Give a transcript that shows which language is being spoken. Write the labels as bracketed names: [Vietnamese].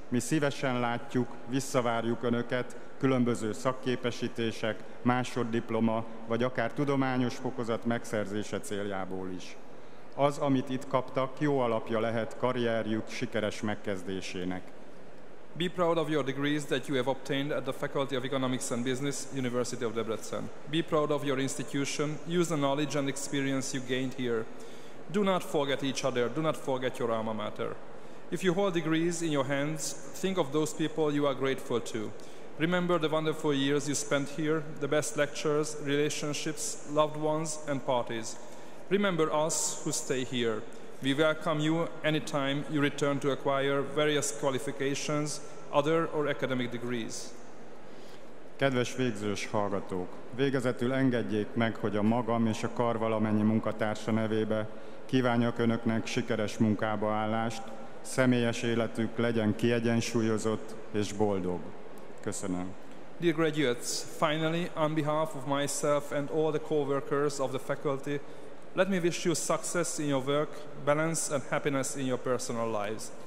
[Hungarian] Mi szívesen látjuk, visszavárjuk Önöket, különböző szakképesítések, másoddiploma, vagy akár tudományos fokozat megszerzése céljából is. Az, amit itt kaptak, jó alapja lehet karrierjük sikeres megkezdésének. [English] Be proud of your degrees that you have obtained at the Faculty of Economics and Business, University of Debrecen. Be proud of your institution. Use the knowledge and experience you gained here. Do not forget each other. Do not forget your alma mater. If you hold degrees in your hands, think of those people you are grateful to. Remember the wonderful years you spent here, the best lectures, relationships, loved ones, and parties. Remember us who stay here. We welcome you anytime you return to acquire various qualifications, other or academic degrees. [Hungarian] Kedves végzős hallgatók, végezetül engedjék meg, hogy a magam és a kar valamennyi munkatársa nevébe kívánjak Önöknek sikeres munkába állást, személyes életük legyen kiegyensúlyozott és boldog. Köszönöm. [English] Dear graduates, finally, on behalf of myself and all the co-workers of the faculty, let me wish you success in your work, balance and happiness in your personal lives.